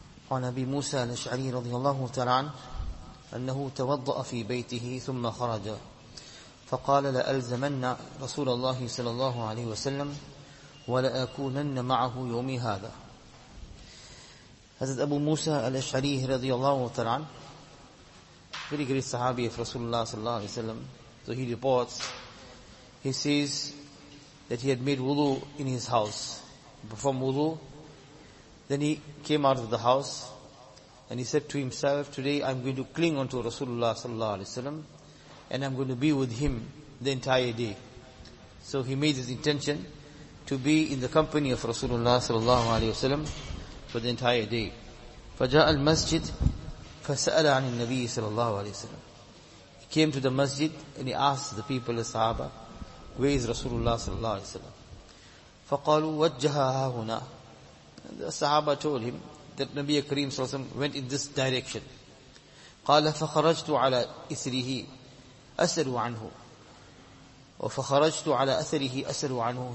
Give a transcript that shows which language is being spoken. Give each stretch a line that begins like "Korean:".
Arabic: عن أبي موسى الأشعري رضي الله تعالى عنه أنه توضأ في بيته ثم خرج فقال: لألزمن رسول الله صلى الله عليه وسلم ولأكونن معه يومي هذا.
English: حضرت أبو موسى الأشعري رضي الله تعالى عنه, very great صحابي of رسول الله صلى الله عليه وسلم, so he reports, he says that he had made wudu in his house, perform wudu, then he came out of the house and he said to himself, today I'm going to cling onto Rasulullah sallallahu alaihi wasallam and I'm going to be with him the entire day. So he made his intention to be in the company of Rasulullah sallallahu alaihi wasallam for the entire day.
Arabic: فَجَاءَ الْمَسْجِدْ فَسَأَلَ عَنِ النَّبِيِّ sallallahu alaihi wasallam.
English: He came to the masjid and he asked the people, the sahaba, where is Rasulullah sallallahu alaihi wasallam?
Arabic: فَقَالُوا وَجَّهَهَا هُنَا.
English: The Sahaba told him that Nabiya Kareem sallallahu alayhi wa sallam went in this direction.
Arabic: قَالَ فَخَرَجْتُ عَلَىٰ إِثْرِهِ أَسَلُوا عَنْهُ وَفَخَرَجْتُ عَلَىٰ أَثَرِهِ أَسَلُوا عَنْهُ.